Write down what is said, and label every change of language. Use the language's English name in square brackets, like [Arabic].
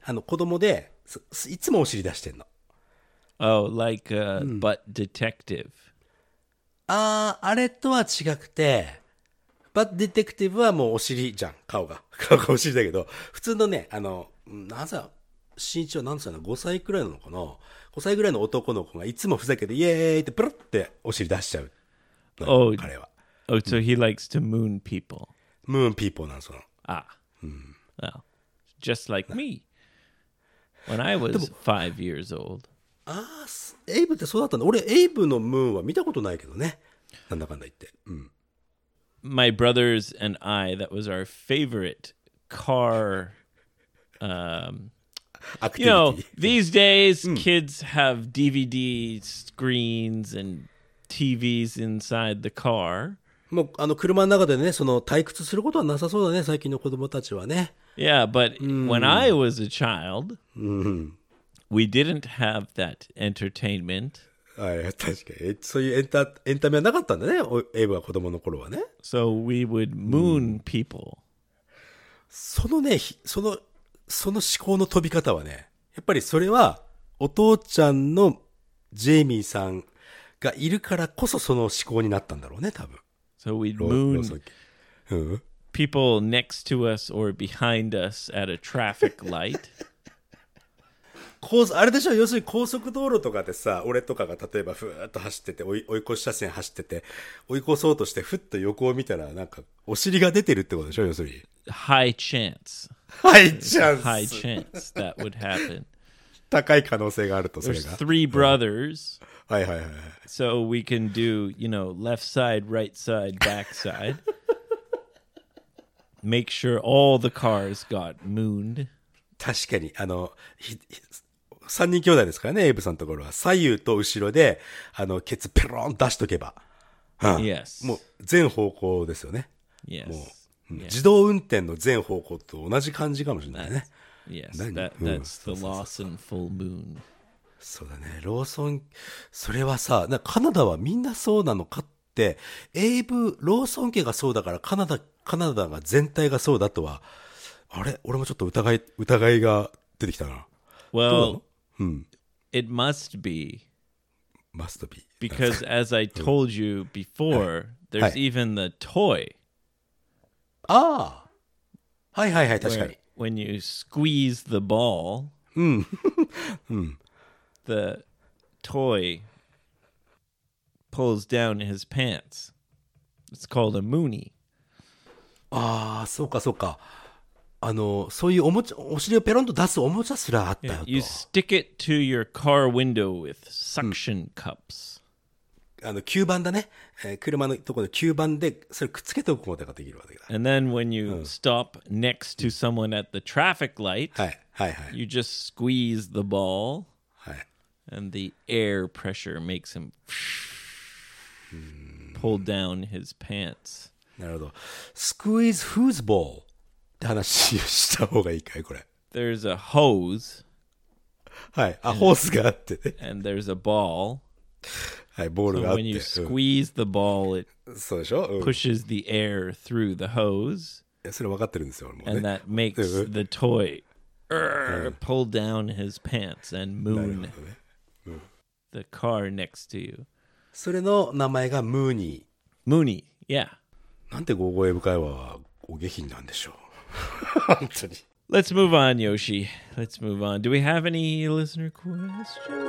[Japanese] あの子供で、いつもお尻出してんの。 [English] Oh, like a butt detective. [Japanese] あれとは違くて、butt detective はもうお尻じゃん、顔がお尻だけど、普通のね、あの、なぜ、身長何歳なの？ 5 歳くらいなのかな？ 5 歳くらいの男の子がいつもふざけて、イエーイってプルッてお尻出しちゃう。 [English] Oh, so he likes to moon people. Moon people, [Japanese] なんその。 [English] Ah. Well, just like me. When I was 5 years old. [Japanese] Ah, Abe ってそうだったんだ。俺、Abe のムーンは見たことないけどね。なんだかんだ言って。うん。 [English] My brothers and I, that was our favorite car, activity. You know, these days, kids have DVD screens andTVs inside the car. [Japanese] もうあの車の中でね、その退屈することはなさそうだね、最近の子供たちはね。 [English] Yeah, but when I was a child, we didn't have that entertainment. [Japanese] はい、確かに。そういうエンタメはなかったんだね、エイブは子供の頃はね。 [English] So we would moon people. [Japanese] そのね、その思考の飛び方はね、やっぱりそれはお父ちゃんのジェイミーさんがいるからこそその思考になったんだろうね、多分。 [English] So we moon people next to us or behind us at a traffic light. [Japanese] あれでしょ、要するに高速道路とかでさ、俺とかが例えばふーっと走ってて、追い越し車線走ってて、追い越そうとしてふっと横を見たら、なんかお尻が出てるってことでしょ、要するに。 [English] High chance. High chance. High chance that would happen. [Japanese] 高い可能性があると、それが。 [English] There's three brothers.、うん [Japanese] はいはいはいはい、 [English] so we can do, you know, left side, right side, back side. Make sure all the cars got mooned. [Japanese] 確かに、あの、3人兄弟ですからね、エイブさんのところは。左右と後ろで、あの、ケツペローン出しとけば。 [English] Yes. [Japanese] もう、全方向ですよね。 [English] Yes. [Japanese] もう、自動運転の全方向と同じ感じかもしれないね。 [English] That's, yes. That's the Lawson full moon. [Japanese] そうだね、ローソン、それはさ、カナダはみんなそうなのかっって、エイブ・ローソン家がそうだからカナダが全体がそうだとは、あれ俺もちょっと疑いが出てきたな。 [English] Well, [Japanese] うん、 [English] it must be. Must be. Because as I told you before, 、はい、there's、はい、even the toy. [Japanese] ああ。はいはいはい、確かに。 [English] When you squeeze the ball, the toy pulls down his pants. It's called a Mooney. [Japanese] ああ、そうかそうか。あの、そういうおもちゃ、お尻をペロンと出すおもちゃすらあったよと。 [English] Yeah, you stick it to your car window with suction cups.、う [Japanese] ん、あの、吸盤だね。車のところで吸盤でそれくっつけておくことができるわけだ。 [English] And then when you、うん、stop next to someone at the traffic light,、 [Japanese] はいはいはい、 [English] you just squeeze the ball,、 [Japanese] はい、 [English] and the air pressure makes him pull down his pants. [Japanese] なるほど。 [English] Squeeze whose ball? [Japanese] 話した方がいいかいこれ。 [English] There's a hose. [Japanese] はい。あ、ホースがあってね。 [English] And there's a ball. [Japanese] はい、ボールがあって。 [English] So when you squeeze the ball, it [Japanese] そうでしょ、うん、 [English] pushes the air through the hose. [Japanese] いや、それ分かってるんですよ、俺もね。 [English] And that makes the toy pull down his pants and moon、 [Japanese] ねうん、 [English] the car next to you. [Japanese] それの名前がムーニー。ムーニー、yeah。なんて語彙深いはお下品なんでしょう。 [English] Let's move on, Yoshi. Let's move on. Do we have any listener questions?